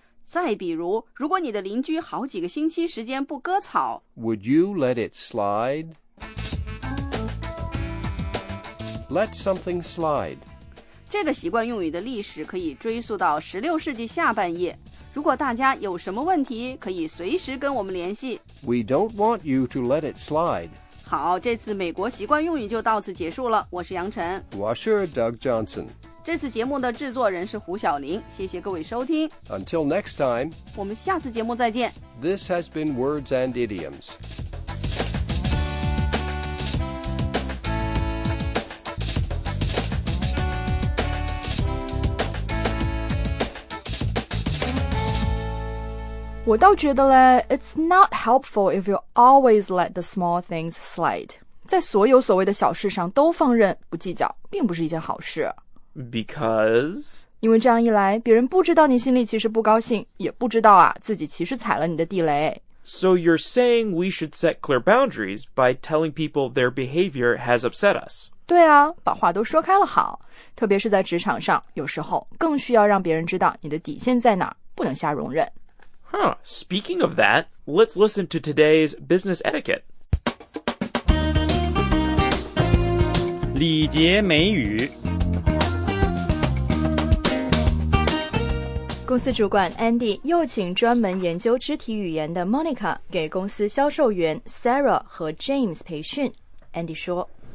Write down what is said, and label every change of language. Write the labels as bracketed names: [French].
[Chinese] 再比如，如果你的邻居好几个星期时间不割草， [English] Would you let it slide? Let something slide. [Chinese] 这个习惯用语的历史可以追溯到16世纪下半叶。如果大家有什么问题，可以随时跟我们联系。 [English] We don't want you to let it slide. [Chinese] 好，这次美国习惯用语就到此结束了。我是杨晨。我是 Doug Johnson. 这次节目的制作人是胡晓玲。谢谢各位收听。 [English] Until next time. [Chinese] 我们下次节目再见。 [English] This has been Words and Idioms. [Chinese] 我倒觉得嘞 [English] it's not helpful if you always let the small things slide. [Chinese] 在所有所谓的小事上都放任不计较并不是一件好事。 [English] Because? [Chinese] 因为这样一来别人不知道你心里其实不高兴也不知道啊自己其实踩了你的地雷。 [English] So you're saying we should set clear boundaries by telling people their behavior has upset us. [Chinese] 对啊把话都说开了好。特别是在职场上有时候更需要让别人知道你的底线在哪不能瞎容忍。 [English] Huh, speaking of that, let's listen to today's business etiquette. [Chinese] 礼节美语。公司主管 Andy 又请专门研究肢体语言的 Monica 给公司销售员 Sarah 和 James 培训。Andy 说